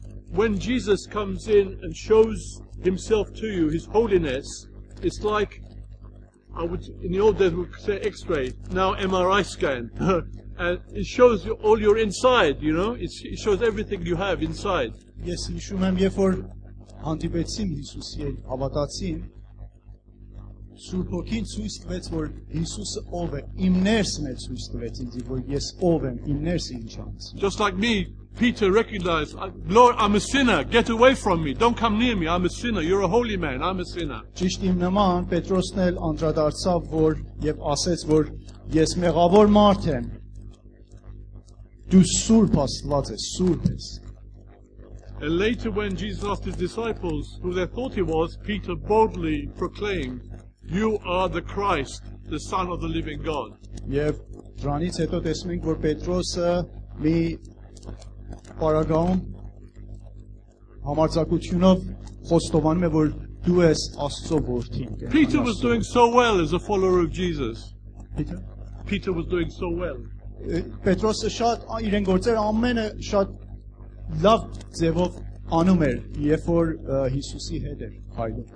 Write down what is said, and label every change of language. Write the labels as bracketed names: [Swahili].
[English] When Jesus comes in and shows himself to you, his holiness, it's like, I would, in the old days we would say x-ray, now MRI scan. And it shows you all your inside, you know, it shows everything you have inside. [Armenian] Ես հիշում եմ, երբ որ հանդիպեցին Հիսուսի հետ, հավատացին, Սուրբ Հոգին ցույց տվեց, որ Հիսուսը ով է, իմ ներսն է ցույց տվեց ինձ, որ ես ով եմ, իմ ներսը ինչ անց։ [English] Just like me, Peter recognized, Lord, I'm a sinner, get away from me, don't come near me, I'm a sinner, you're a holy man, I'm a sinner. [Armenian] Ճիշտ իմ նման, Պետրոսն էլ անդրադարձավ, որ եւ ասեց, որ ես մեղավոր մարդ եմ, դու սուրբ Աստված ես, սուրբ ես։ [English] And later when Jesus asked his disciples who they thought he was, Peter boldly proclaimed, "You are the Christ, the Son of the living God." [Armenian] Եվ դրանից հետո տեսնենք, որ Պետրոսը մի պարագայում համարձակությունով խոստովանում է, որ դու ես Աստծո որդին։ [English] Peter was doing so well as a follower of Jesus. Peter was doing so well. [Armenian] Պետրոսը շատ իրեն գործեր ամենը շատ լավ ձևով անում էր, երբ որ Հիսուսի հետ էր քայլում։